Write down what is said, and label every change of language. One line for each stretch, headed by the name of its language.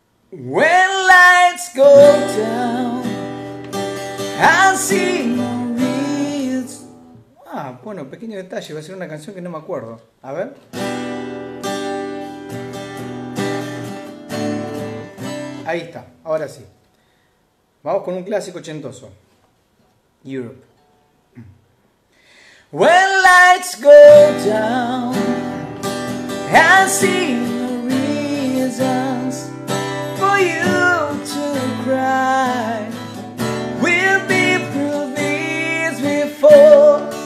English: When lights go down, I see your needs.
Spanish: Ah, bueno, pequeño detalle, va a ser una canción que no me acuerdo. A ver. Ahí está, ahora sí. Vamos con un clásico ochentoso. Europe.
English: When lights go down, I see no reasons for you to cry. We'll be through this before.